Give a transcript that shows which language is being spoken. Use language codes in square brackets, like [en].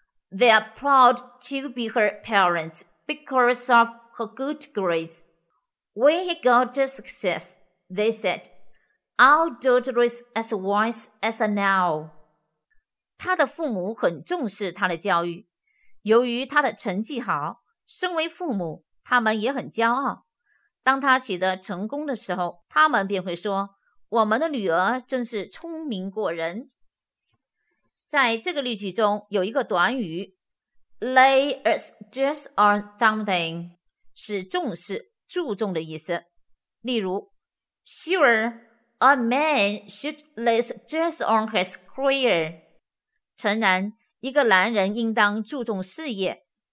[en] They are proud to be her parents because of her good grades. When he got to success, they said,Our daughter is as wise as a owl. [zh] 他的父母很重视他的教育，由于他的成绩好，身为父母，他们也很骄傲。当他取得成功的时候，他们便会说，我们的女儿真是聪明过人。在这个例句中有一个短语 [en] Lay a stress on something [zh] 是重视、注重的意思。例如 [en] Sure, A man should lay stress on his career. [zh] 诚然，一个男人应当注重事业。